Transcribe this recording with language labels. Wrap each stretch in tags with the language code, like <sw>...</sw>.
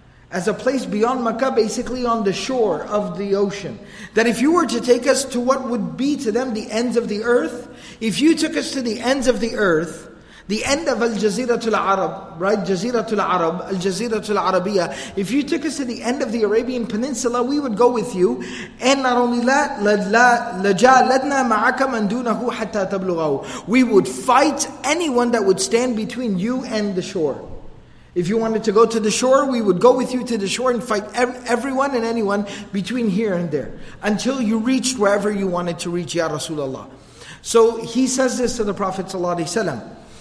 <en>As a place beyond Makkah, basically on the shore of the ocean. That if you were to take us to what would be to them the ends of the earth, if you took us to the ends of the earth, the end of Al-Jaziratul Arab, right? Jaziratul Arab, Al-Jaziratul Arabiya. If you took us to the end of the Arabian Peninsula, we would go with you. And not only that,</en> <ar>لَجَالَدْنَا مَعَكَ مَنْ دُونَهُ حَتَّى تَبْلُغَهُ.</ar> <en>We would fight anyone that would stand between you and the shore. If you wanted to go to the shore, we would go with you to the shore and fight everyone and anyone between here and there. Until you reached wherever you wanted to reach, Ya Rasulullah. So he says this to the Prophet ﷺ.</en>